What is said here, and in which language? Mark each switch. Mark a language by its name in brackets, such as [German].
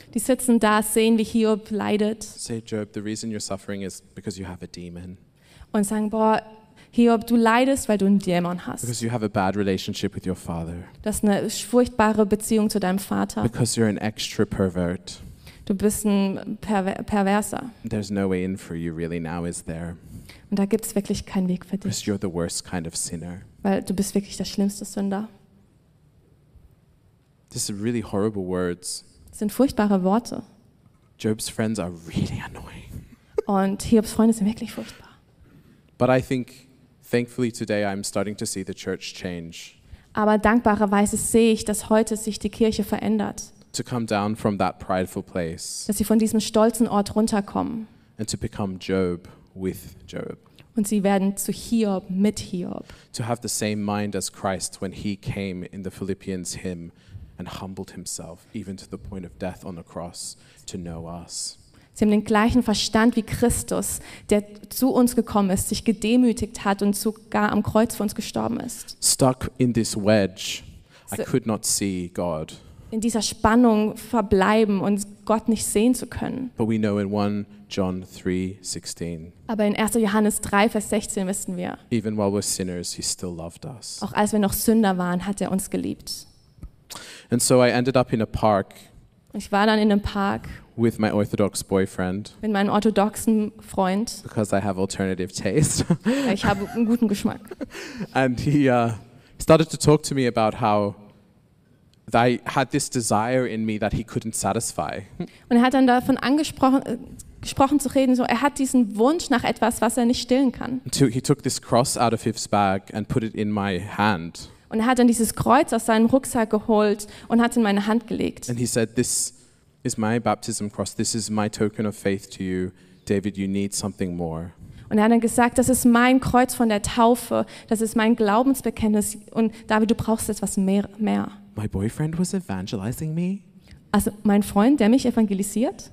[German] Die sitzen da, sehen wie Hiob leidet. [English] Say, Job, the reason you're suffering is because you have a demon. [German] Und sagen, boah, Hiob, du leidest, weil du einen Dämon hast. [English] Because you have a bad relationship with your father. [German] Du hast eine furchtbare Beziehung zu deinem Vater. [English] Because you're an extra pervert. [German] Du bist ein Perverser. [English] There's no way in for you really now, is there? [German] Und da gibt's wirklich keinen Weg für dich. [English] Because you're the worst kind of sinner. [German] Weil du bist wirklich der schlimmste Sünder. [English] These are really horrible words. [German] Das sind furchtbare Worte. [English] Job's friends are really annoying. [German] Und Hiobs Freunde sind wirklich furchtbar. [English] But I think, thankfully today I'm starting to see the church change. [German] Aber dankbarerweise sehe ich, dass heute sich die Kirche verändert. [English] To come down from that prideful place. [German] Dass sie von diesem stolzen Ort runterkommen. [English] And to become Job with Job. [German] Und sie werden zu Hiob mit Hiob. [English] To have the same mind as Christ when he came in the Philippians hymn and humbled himself even to the point of death on the cross to know us. [German] Sie haben den gleichen Verstand wie Christus, der zu uns gekommen ist, sich gedemütigt hat und sogar am Kreuz für uns gestorben ist. [English] Stuck in this wedge, I could not see God. [German] In dieser Spannung verbleiben und Gott nicht sehen zu können. [English] But we know in 1 John 3:16. [German] Aber in 1. Johannes 3, Vers 16 wissen wir. [English] Even while we're sinners, he still loved us. [German] Auch als wir noch Sünder waren, hat er uns geliebt. [English] And so I ended up in a park. [German] Ich war dann in einem Park [English] with my orthodox boyfriend. [German] Mit meinem orthodoxen Freund. [English] Because I have alternative taste. [German] Ich habe einen guten Geschmack. [English] And he started to talk to me about how I had this desire in me that he couldn't satisfy. [German] Und er hat dann davon gesprochen zu reden, so er hat diesen Wunsch nach etwas, was er nicht stillen kann. [English] He took this cross out of his bag and put it in my hand. [German] Und er hat dann dieses Kreuz aus seinem Rucksack geholt und hat es in meine Hand gelegt. [English] And he said, this is my baptism cross. This is my token of faith to you. David, you need something more. [German] Und er hat dann gesagt, das ist mein Kreuz von der Taufe. Das ist mein Glaubensbekenntnis. Und David, du brauchst etwas mehr. [English] My boyfriend was evangelizing me. [German] Also mein Freund, der mich evangelisiert.